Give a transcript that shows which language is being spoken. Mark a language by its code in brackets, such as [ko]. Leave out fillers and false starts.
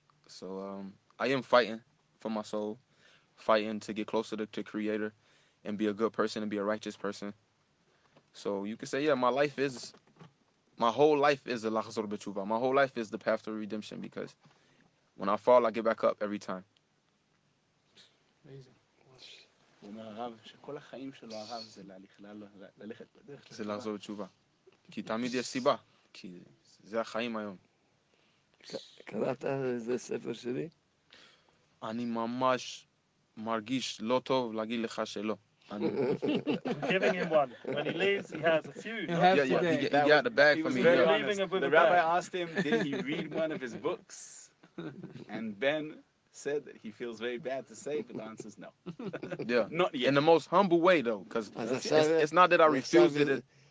[en] So I am fighting for my soul, fighting to get closer to Creator and be a good person and be a righteous person. So you could say, yeah, my whole life is a [he] lachzor b'tshuva. [en] My whole life is the path to redemption, because when I fall, I get back up every time. Amazing. [he] הוא אומר הרב שכל החיים שלו הרב זה ללכת בדרך זה לחזור תשובה, כי תמיד יש סיבה, כי זה החיים היום. קראת איזה ספר שלי? אני ממש מרגיש לא טוב להגיד לך שלא. [en] Giving him one. When he leaves, he has a few. He got the bag for me. He was very leaving him with the rabbi asked him, did he read one of his books? And Ben said that he feels very bad to say, but the answer is no. Yeah. Not yet. In the most humble way, though, because it's not that I refused it.